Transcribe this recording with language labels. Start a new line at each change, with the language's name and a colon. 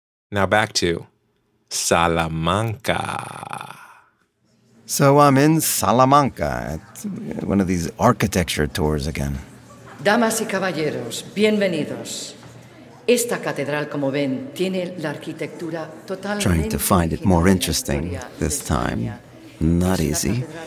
English: Now back to Salamanca. So I'm in Salamanca at one of these architecture tours again.
Spanish: Damas y caballeros, bienvenidos. Esta catedral, como ven, tiene la arquitectura totalmente.
English: Trying to find it more interesting this time. Not easy.